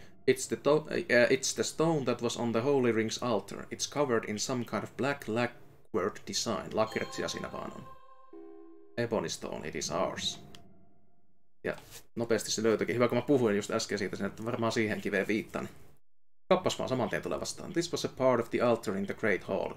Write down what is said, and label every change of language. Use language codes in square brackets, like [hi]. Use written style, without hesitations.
[en] It's the stone that was on the Holy Ring's altar. It's covered in some kind of black lacquered design. [fi] Lakertsia siinä vaan on. [en] Ebony stone, it is ours. [fi] Ja nopeasti se löytyikin. Hyvä, kun mä puhuin just äsken siitä, että varmaan siihen kiveen viittaan. Kappas vaan samantien tulee vastaan. [en] This was a part of the altar in the Great Hall.